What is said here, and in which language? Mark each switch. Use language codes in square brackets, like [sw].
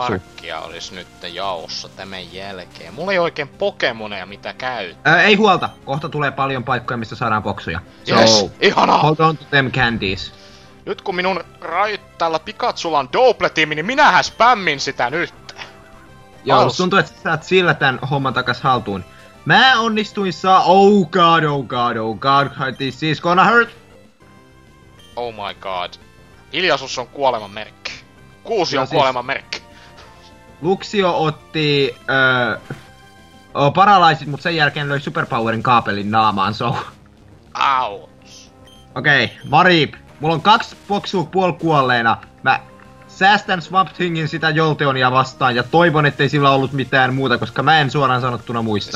[fi] 7 karkkia olis nyt jaossa tämän jälkeen. Mulla ei oikein Pokemoneja mitä käyttää. Ei huolta. Kohta tulee paljon paikkoja, mistä saadaan boksuja. [en] Yes, so, ihanaa! Hold on to them candies. [fi] Nyt kun minun täällä Pikachulla on Doppletiimi, niin minähän spämmin sitä nyt. Joo, tuntuu, että sä saat sillä tän homman takas haltuun. Mä onnistuin saa... [en] Oh god, this is gonna hurt! Oh my god. [fi] Hiljaisuus on kuoleman merkki. Kuusi on kuoleman merkki. Luxio otti paralaisit, mutta sen jälkeen löi superpowerin kaapelin naamaan, so. [en] Ouch. [fi] Okei, okay, Mareep. Mulla on 2 boksua puolikuolleena. Mä säästän Swamp Thingin sitä Jolteonia vastaan ja toivon, ettei sillä ollut mitään muuta, koska mä en suoraan sanottuna muista.